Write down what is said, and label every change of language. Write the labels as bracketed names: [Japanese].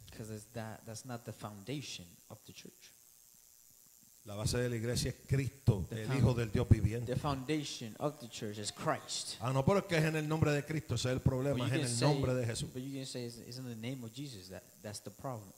[English] Because that's not the foundation of the church. [Spanish] La base de la iglesia es Cristo, el Hijo del Dios viviente. [English] The foundation of the church is Christ. [Spanish] Ah, no, pero es que es en el nombre de Cristo, ese es el problema, es en el nombre de Jesús. [English] But you can say it's in the name of Jesus that's the problem.